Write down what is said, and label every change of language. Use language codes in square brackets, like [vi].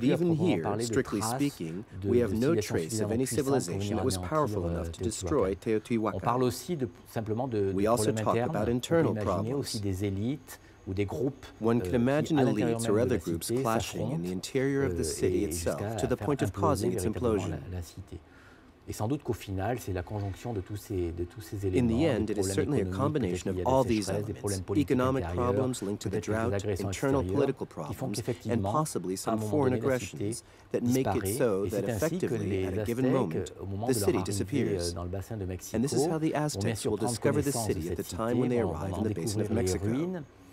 [en] But even here, strictly speaking, we have no trace of any civilization that was powerful enough to destroy Teotihuacan. [fr] On parle aussi de, simplement de [en] we also talk about internal [fr] problems. Ou des groupes, [en] One can imagine elites or other groups clashing in the interior of the city itself to the point of causing its implosion. [fr] Et sans doute qu'au final, c'est la conjonction de tous ces éléments. [en] In the end, it is certainly a combination of all these elements: economic problems linked to the drought, internal political problems, and possibly some foreign aggressions that make it so that effectively, at a given moment, the city disappears. And this is how the Aztecs will discover the city at the time when they arrive in the basin of Mexico.